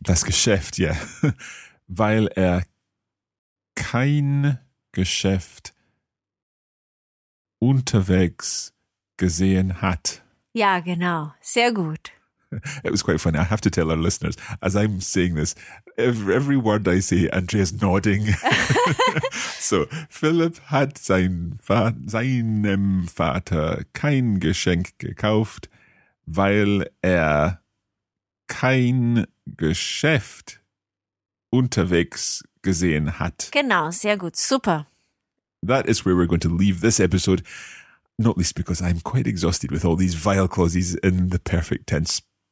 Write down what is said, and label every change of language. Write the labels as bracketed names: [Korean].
[German] Das Geschäft, ja. Weil er kein Geschäft unterwegs gesehen hat. Ja, genau. Sehr gut. [English] It was quite funny. I have to tell our listeners, as I'm saying this, every word I say, Andrea's nodding. [German] So, Philipp hat seinem Vater kein Geschenk gekauft, weil er kein Geschäft unterwegs gesehen hat. Genau, sehr gut, super. [English] That is where we're going to leave this episode, not least because I'm quite exhausted with all these vile clauses in the perfect tense.